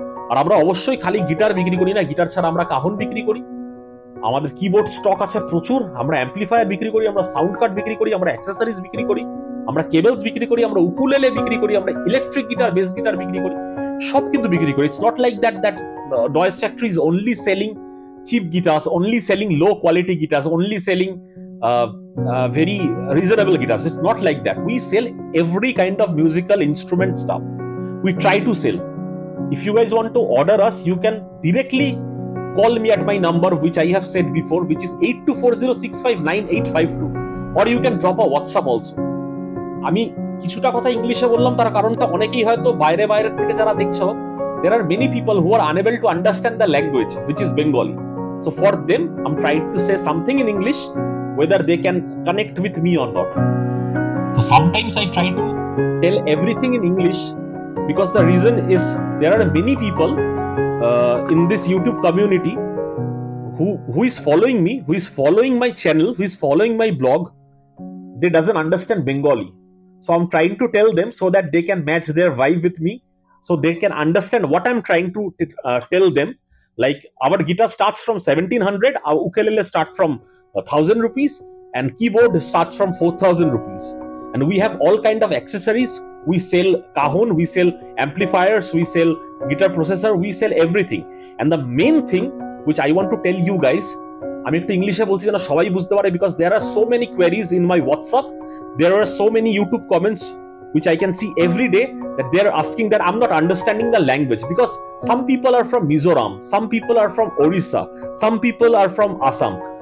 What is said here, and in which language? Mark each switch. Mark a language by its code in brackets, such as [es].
[bn] আর আমরা অবশ্যই খালি গিটার বিক্রি করি না, গিটার ছাড়া আমরা কাহন বিক্রি করি, আমাদের কিবোর্ড স্টক আছে প্রচুর, আমরা অ্যাম্পলিফায়ার বিক্রি করি, আমরা সাউন্ড কার্ড বিক্রি করি, আমরা অ্যাক্সেসরিজ বিক্রি করি, আমরা কেবলস বিক্রি করি, আমরা উকুলেলে বিক্রি করি, আমরা ইলেকট্রিক গিটার, বেস গিটার বিক্রি করি, সব কিন্তু বিক্রি করি। [en] It's not like that noise factory is only selling cheap guitars, only selling low quality guitars, only selling very reasonable guitars. It's not like that. We sell every kind of musical instrument stuff. We try to sell. If you guys want to order us, you can directly call me at my number, which I have said before, which is 8240659852. Or you can drop a WhatsApp also. [bn] আমি কিছুটা কথা ইংলিশে বললাম, তার কারণটা অনেকেই হয়তো বাইরে বাইরে থেকে যারা দেখছো, [en] there are many people who are unable to understand the language, which is Bengali. So for them, I'm trying to say something in English, whether they can connect with me or not. So sometimes I try to tell everything in English, because the reason is there are many people in this YouTube community who is following me, who is following my channel, who is following my blog. They doesn't understand Bengali. So I'm trying to tell them so that they can match their vibe with me, so they can understand what I'm trying to tell them. Like, our guitar starts from 1700, our ukulele start from 1000 rupees, and keyboard starts from 4000 rupees. And we have all kind of accessories. We sell cajon, we sell amplifiers, we sell guitar processor, we sell everything. And the main thing which I want to tell you guys, [bn] আমি একটু ইংলিশে বলছি যেন সবাই বুঝতে পারে, [en] because there are so many queries in my WhatsApp, there are so many YouTube comments which I can see every day, that they are asking that am not understanding the language, because some people are from Mizoram, some people are from Odisha, some people are from Assam,